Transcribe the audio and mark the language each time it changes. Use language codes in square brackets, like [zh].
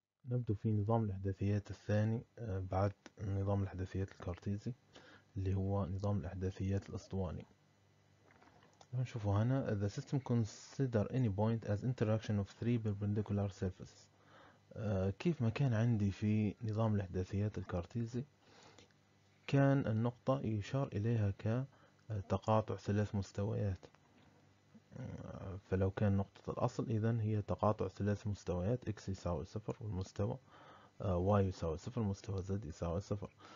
[ar] نبدأ في نظام الإحداثيات الثاني بعد نظام الإحداثيات الكارتيزي اللي هو نظام الإحداثيات الأسطواني. نشوفه هنا: [en] The system consider any point as interaction of three perpendicular surfaces. [ar] كيف ما كان عندي في نظام الإحداثيات الكارتيزي، كان النقطة يشار إليها كتقاطع ثلاث مستويات. فلو كان نقطة الأصل، إذن هي تقاطع ثلاث مستويات x يساوي صفر والمستوى y يساوي صفر والمستوى z يساوي صفر.